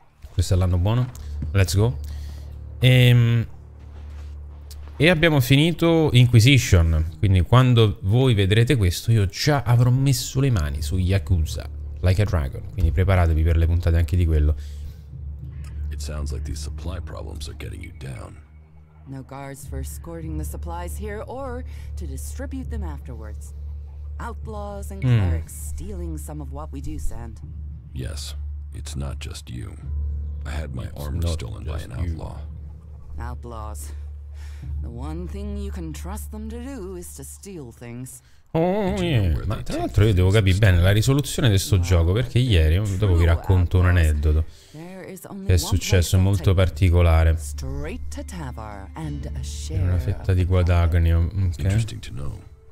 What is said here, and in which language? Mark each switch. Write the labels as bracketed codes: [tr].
[it] Questo è l'anno buono, [en] let's go. [it] E abbiamo finito Inquisition, quindi quando voi vedrete questo io già avrò messo le mani su Yakuza Like a Dragon, quindi preparatevi per le puntate anche di quello. [en] It sounds like these supply problems are getting you down. No guards for escorting the supplies here or to distribute them afterwards. Outlaws and clerics stealing some of what we do send. Yes, it's not just you. I had my arm stolen by an outlaw. Outlaws. The one thing you can trust them to do is to steal things. [it] Oh, ma tra l'altro io devo capire bene la risoluzione di sto gioco, perché ieri, dopo vi racconto un aneddoto che è successo molto particolare. Una fetta di guadagno, ok.